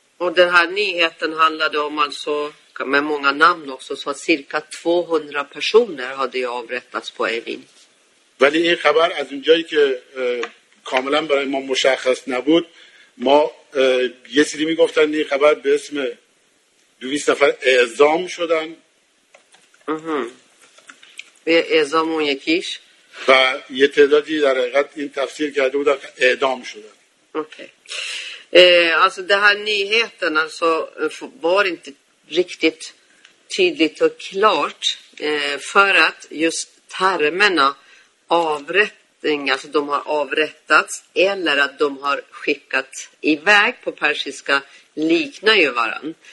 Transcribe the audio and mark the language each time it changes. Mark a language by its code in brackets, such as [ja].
[sv] Och den här nyheten handlade om alltså med många namn också så cirka 200 personer hade avrättats på Evin. [fa] ولی این خبر از اونجایی که کاملا برای ما مشخص نبود ما یه سری میگفتن این خبر به اسم 200 نفر اعزام شدن به اعزام اون یکیش و یه تعدادی در حقیقت این تفسیر کرده بودن اعدام شدن. [sv] اوکی alltså det här nyheten alltså var inte riktigt tydligt och klart för att just termerna avrättning, alltså de har avrättats eller att de har skickat iväg på persiska liknar ju varann.